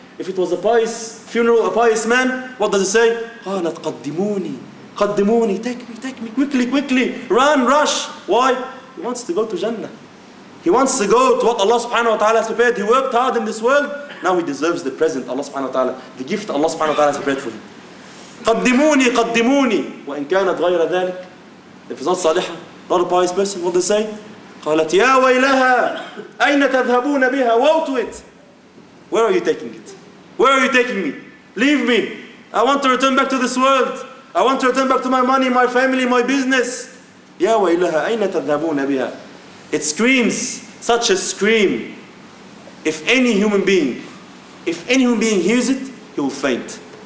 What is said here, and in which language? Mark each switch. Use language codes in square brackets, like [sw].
[en] If it was a pious funeral, a pious man, what does it say? [ar] قَالَتْ قَدِّمُونِي قَدِّمُونِي. [en] Take me, quickly, run, rush. Why? He wants to go to Jannah. He wants to go to what Allah subhanahu wa ta'ala has prepared. He worked hard in this world. Now he deserves the present, Allah subhanahu wa ta'ala, the gift Allah subhanahu wa ta'ala has prepared for him. [ar] قدموني قدموني وإن كانت غير ذلك. [en] If it's not صالحة, not a pious person, what they say? [ar] قالت يا ويلها أين تذهبون بها. [en] Woe to it. Where are you taking it? Where are you taking me? Leave me. I want to return back to this world. I want to return back to my money, my family, my business. [ar] يا ويلها أين تذهبون بها. [en] It screams such a scream. If any human being hears it, he will faint.